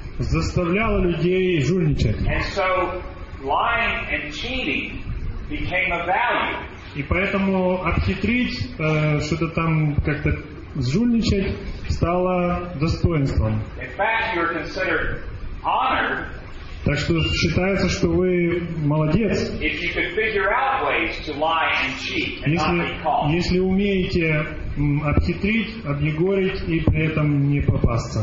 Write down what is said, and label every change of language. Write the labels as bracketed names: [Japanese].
[Russian] Заставляло людей жульничать. [English] And so, lying and cheating became a value. [Russian] И поэтому обхитрить, что-то там как-то сжульничать стало достоинством. Так что считается, что вы молодец. Если умеете обхитрить, объегорить и при этом не попасться.